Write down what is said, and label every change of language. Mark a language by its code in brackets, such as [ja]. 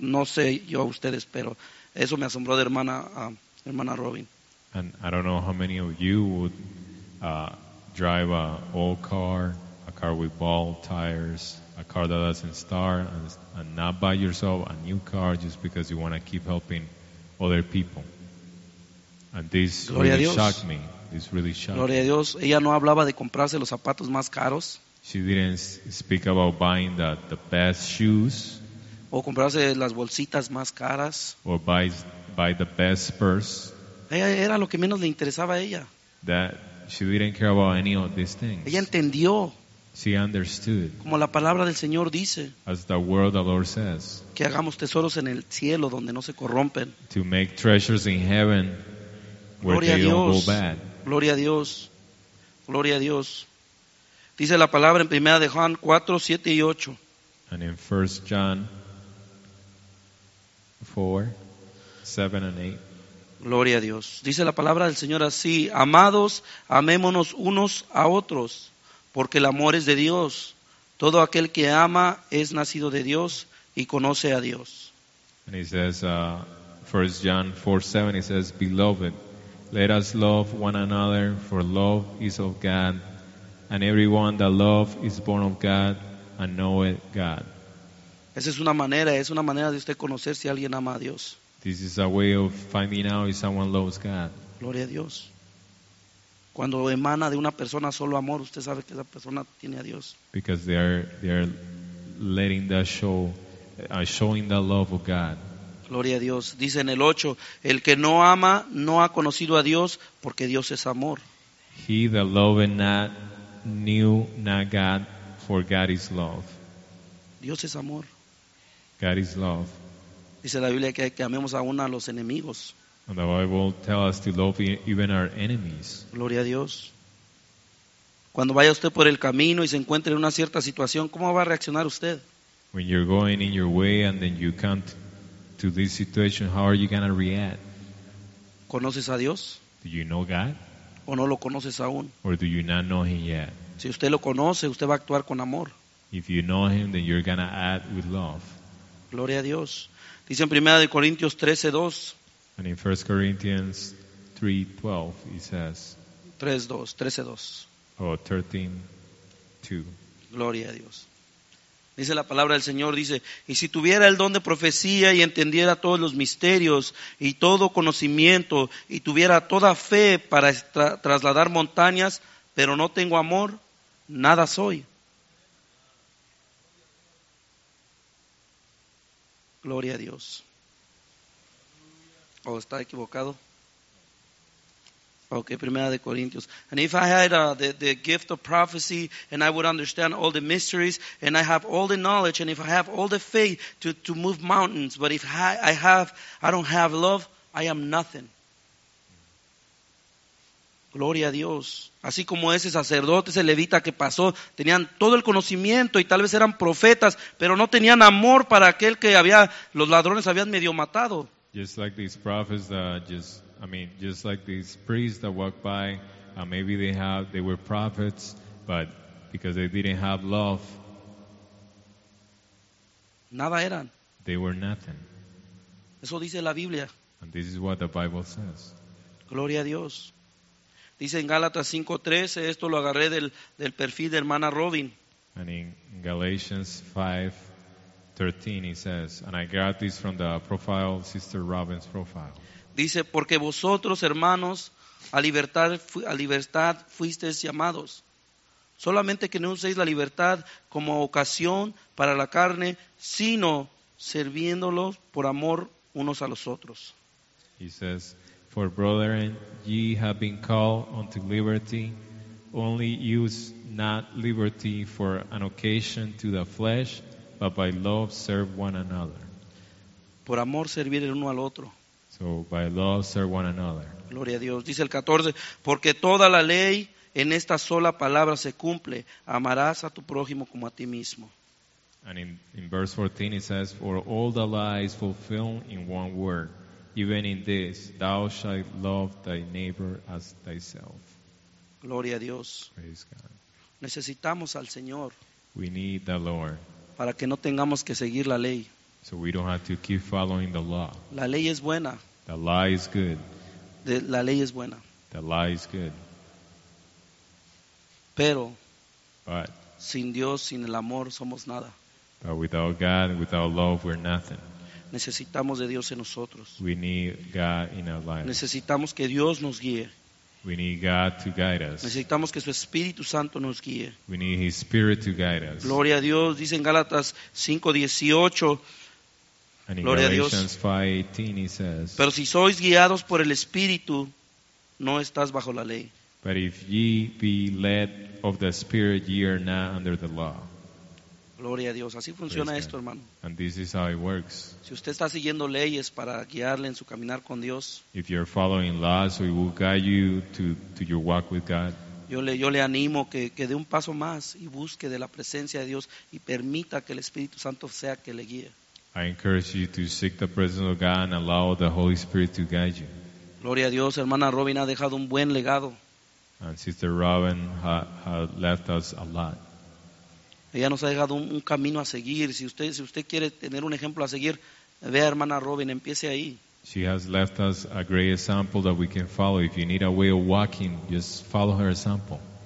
[es] No sé yo a ustedes, pero eso me asombró de hermana Robin. [en] And I don't know how many of you would drive an old car, a car with bald tires, a car that doesn't start, and not buy yourself a new car just because you want to keep helping other people. And this [es] Gloria [en] really shocked me. This really shocked [es] Gloria [en] me. [es] A Dios. Ella no hablaba de comprarse los zapatos más caros. [en] She didn't speak about buying the best shoes. [es] O comprarse las bolsitas más caras. [en] Or buy the best purse. [es] Ella era lo que menos le interesaba a ella. [en] That she didn't care about any of these things. [es] Ella entendió. [en] She understood. [es] Como la palabra del Señor dice. [en] As the word of the Lord says. [es] Que hagamos tesoros en el cielo donde no se corrompen. [en] To make treasures in heaven. [es] Gloria a Dios. Gloria a Dios. Gloria a Dios. Dice la palabra en Primera de Juan 4, 7 y 8. [en] And in 1 John 4, 7 and 8. [es] Gloria a Dios. Dice la palabra del Señor así: amados, amémonos unos a otros, porque el amor es de Dios. Todo aquel que ama es nacido de Dios y conoce a Dios. [en] And he says, 1 John 4, 7, he says, beloved, let us love one another, for love is of God, and everyone that loves is born of God and knoweth God. [es] Esa es una manera de usted conocer si alguien ama a Dios. [en] This is a way of finding out if someone loves God. [es] Gloria a Dios. Cuando emana de una persona solo amor, usted sabe que esa persona tiene a Dios. [en] Because they are letting that show, showing the love of God. [es] Gloria a Dios. Dice en el 8, el que no ama no ha conocido a Dios, porque Dios es amor. [en] He that loveth not knew not God, for God is love. [es] Dios es amor. [en] God is love. [es] Dice la Biblia que amemos aún a los enemigos. [en] And the Bible tells us to love even our enemies. [es] Gloria a Dios. Cuando vaya usted por el camino y se encuentre en una cierta situación, ¿cómo va a reaccionar usted? [en] When you're going in your way and then you come to this situation, how are you going to react? [es] ¿Conoces a Dios? [en] Do you know God? [es] ¿O no lo conoces aún? [en] Or do you not know him yet? [es] Si usted lo conoce, usted va a actuar con amor. [en] If you know him, then you're going to act with love. [es] Gloria a Dios. Dice en Primera de Corintios 13, 2. [en] And in 1 Corinthians 3, 12, it says. 3, 2, 13, 2. Oh, 13, 2. [es] Gloria a Dios. Dice la palabra del Señor, dice, y si tuviera el don de profecía y entendiera todos los misterios y todo conocimiento y tuviera toda fe para trasladar montañas, pero no tengo amor, nada soy. Gloria a Dios. Oh, está equivocado. Okay, Primera de Corintios. [en] And if I had the gift of prophecy and I would understand all the mysteries and I have all the knowledge and if I have all the faith to move mountains, but if I don't have love, I am nothing. [es] Gloria a Dios. Así como ese sacerdote, ese levita que pasó, tenían todo el conocimiento y tal vez eran profetas, pero no tenían amor para aquel que había los ladrones habían medio matado. [en] Just like these prophets just like these priests that walked by, maybe they were prophets, but because they didn't have love, [es] nada eran. [en] They were nothing. [es] Eso dice la Biblia. [en] And this is what the Bible says. [es] Gloria a Dios. Dice en Gálatas 5:13, esto lo agarré del perfil de hermana Robin. [en] And in Galatians 5:13 he says, and I got this from the profile, Sister Robin's profile. [es] Dice, porque vosotros, hermanos, a libertad fuisteis llamados. Solamente que no uséis la libertad como ocasión para la carne, sino sirviéndolos por amor unos a los otros. [en] He says, for brethren, ye have been called unto liberty. Only use not liberty for an occasion to the flesh, but by love serve one another. [es] Por amor servir el uno al otro. [en] So by love serve one another. [es] Gloria a Dios. Dice el 14, porque toda la ley en esta sola palabra se cumple. Amarás a tu prójimo como a ti mismo. [en] And in verse 14 it says, for all the law is fulfilled in one word. Even in this, thou shalt love thy neighbor as thyself. [es] Gloria a Dios. [en] Praise God. [es] Necesitamos al Señor. [en] We need the Lord. [es] Para que no tengamos que seguir la ley. [en] So we don't have to keep following the law. [es] La ley es buena. [en] The law is good. [es] La ley es buena. [en] The law is good. [es] Pero. [en] But. [es] Sin Dios, sin el amor, somos nada. [en] But without God, without love, we're nothing. [es] Necesitamos de Dios en nosotros. [en] We need God in our lives. [es] Necesitamos que Dios nos guíe. [en] We need God to guide us. [es] Necesitamos que su Espíritu Santo nos guíe. [en] We need His Spirit to guide us. [es] Gloria a Dios. Dice en Gálatas 5:18. Gloria a Dios. [en] And in Galatians 5:18 he says. [es] Pero si sois guiados por el Espíritu, no estás bajo la ley. [en] But if ye be led of the Spirit, ye are not under the law. [es] Gloria a Dios. Así funciona esto, hermano. [en] And this is how it works. [es] Si usted está siguiendo leyes para guiarle en su caminar con Dios, [en] if you're following laws, so it will guide you to your walk with God. [es] Yo le animo que dé un paso más y busque de la presencia de Dios y permita que el Espíritu Santo sea que le guíe. [en] I encourage you to seek the presence of God and allow the Holy Spirit to guide you. [es] Gloria a Dios, hermana Robin ha dejado un buen legado. [en] And Sister Robin has left us a lot. [es] Ella nos ha dejado un camino a seguir. Si usted quiere tener un ejemplo a seguir, vea hermana Robin, empiece ahí. [en] She has left us a great example that we can follow. If you need a way of walking, just follow her example.